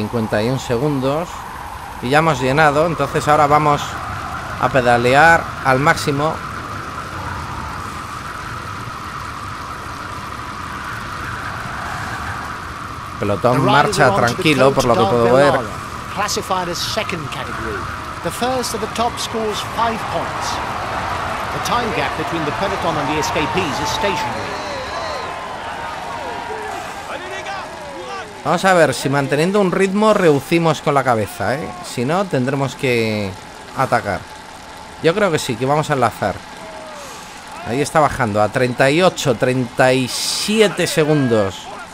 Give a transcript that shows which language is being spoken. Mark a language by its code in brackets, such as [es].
[es] ...51 segundos... y ya hemos llenado, entonces ahora vamos a pedalear al máximo. Pelotón marcha tranquilo, por lo que puedo ver. [en] Classified as second category, the first of the top scores 5 points. The time gap between the peloton and the escapees is stationary. [es] Vamos a ver si manteniendo un ritmo reducimos con la cabeza, ¿eh? Si no, tendremos que atacar. Yo creo que sí, que vamos a enlazar. Ahí está bajando a 38, 37 segundos.